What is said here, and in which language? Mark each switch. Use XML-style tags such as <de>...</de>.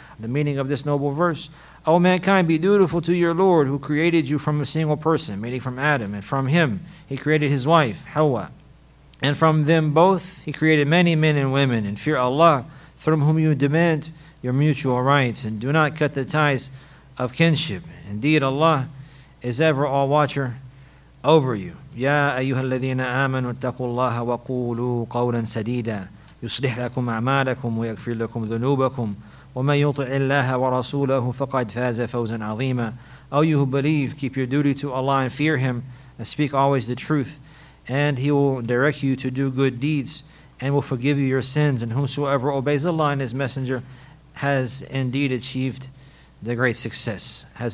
<en>The meaning of this noble verse: O mankind, be dutiful to your Lord who created you from a single person, meaning from Adam, and from him he created his wife Hawa, and from them both he created many men and women, and fear Allah through whom you demand your mutual rights, and do not cut the ties of kinship. Indeed Allah is ever all watcher over you.</en> <ar>يا أيها الذين آمنوا اتقوا الله وقولوا قولا سديدا يصلح لكم أعمالكم ويغفر لكم ذنوبكم ومن يطع الله ورسوله فقد فاز فوزا عظيما.</ar> <en>O you who believe, keep your duty to Allah and fear Him and speak always the truth, and He will direct you to do good deeds and will forgive you your sins, and whomsoever obeys Allah and His Messenger has indeed achieved the great success.</en>